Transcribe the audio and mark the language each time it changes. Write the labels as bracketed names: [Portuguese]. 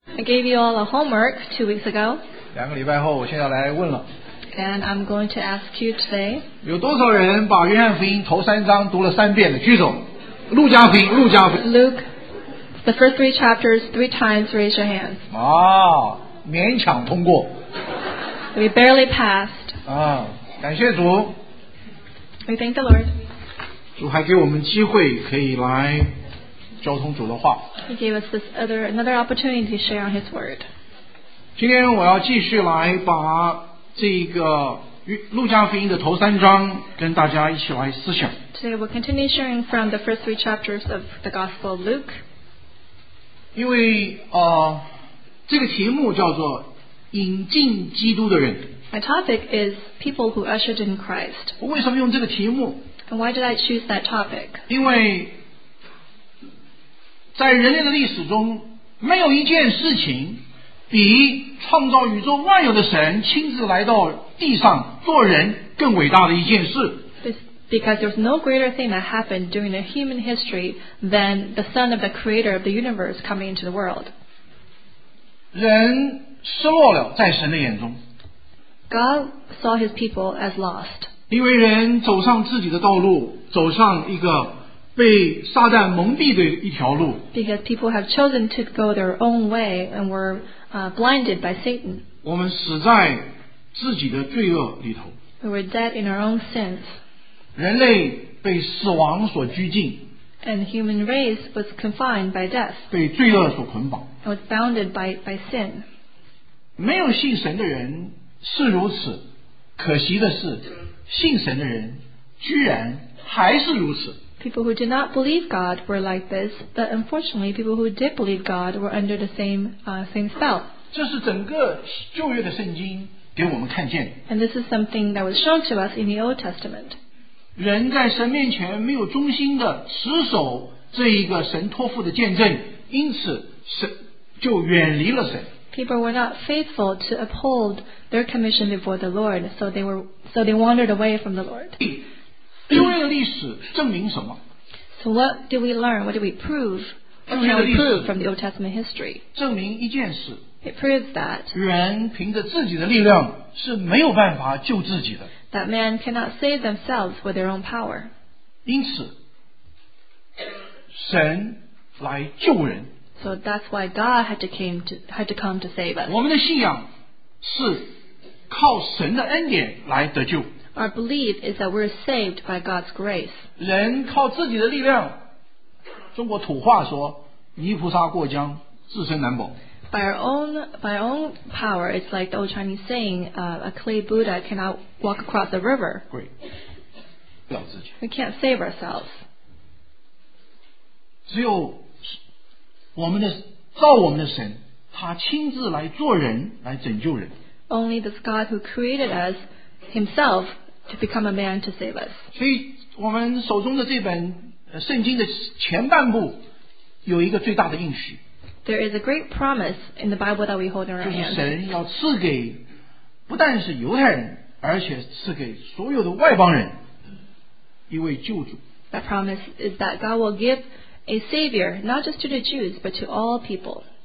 [English] I gave you all a homework 2 weeks ago. [Chinese] 两个礼拜后，我现在来问了。 [English] And I'm going to ask you today. [Chinese] 有多少人把约翰福音头三章读了三遍的举手？路加福音，路加福音。 [English] Luke, the first three chapters three times. Raise your hands. [Chinese] 啊，勉强通过。 [English] We barely passed. [Chinese] 啊，感谢主。 [English] We thank the Lord. [Chinese] 主还给我们机会可以来交通主的话。 [English] He gave us this another opportunity to share on His word. [Chinese] 今天我要继续来把这个路加福音的头三章跟大家一起来思想。 [English] Today we'll continue sharing from the first three chapters of the Gospel of Luke. [Chinese] 因为这个题目叫做引进基督的人。 [English] My topic is people who ushered in Christ. [Chinese] 我为什么用这个题目？ [English] And why did I choose that topic? [Chinese] 因为在人类的历史中，没有一件事情比创造宇宙万有的神亲自来到地上做人更伟大的一件事。 [English] Because there's no greater thing that happened during the human history than the Son of the Creator of the universe coming into the world. [Chinese] 人失落了，在神的眼中。 [English] God saw his people as lost. [Chinese] 因为人走上自己的道路，走上一个被撒旦蒙蔽的一条路。 [English] Because people have chosen to go their own way and were blinded by Satan. [Chinese] 我们死在自己的罪恶里头。 [English] We were dead in our own sins. [Chinese] 人类被死亡所拘禁。 [English] And the human race was confined by death. [Chinese] 被罪恶所捆绑。 [English] And was bounded by sin. [Chinese] 没有信神的人是如此，可惜的是，信神的人居然还是如此。 [English] People who did not believe God were like this, but unfortunately, people who did believe God were under the same spell. [Chinese] 这是整个旧约的圣经给我们看见。 [English] And this is something that was shown to us in the Old Testament. [Chinese] 人在神面前没有忠心的持守这一个神托付的见证，因此神就远离了神。 [English] People were not faithful to uphold their commission before the Lord, so they wandered away from the Lord. [Chinese] 旧约的历史证明什么？ [English] So what do we learn? What do we prove? What can we prove from the Old Testament history? [Chinese] 证明一件事。 [English] It proves that [Chinese] 人凭着自己的力量是没有办法救自己的。 [English] That man cannot save themselves with their own power. [Chinese] 因此，神来救人。 [English] So that's why God had to come to save us. [Chinese] 我们的信仰是靠神的恩典来得救。 [English] Our belief is that we're saved by God's grace. [Chinese] 人靠自己的力量，中国土话说，泥菩萨过江，自身难保。 [English] By our own power, it's like the old Chinese saying, a clay Buddha cannot walk across the river. [Chinese] Great. 靠自己。 [English] We can't save ourselves. [Chinese] 只有我们的造我们的神，他亲自来做人，来拯救人。 [English] Only this God who created us himself to become a man to save us. [Chinese] 所以我们手中的这本圣经的前半部有一个最大的应许。 [English] There is a great promise in the Bible that we hold in our hands. [Chinese] 就是神要赐给不但是犹太人，而且赐给所有的外邦人一位救主。 [English] That promise is that God will give a savior, not just to the Jews, but to all people.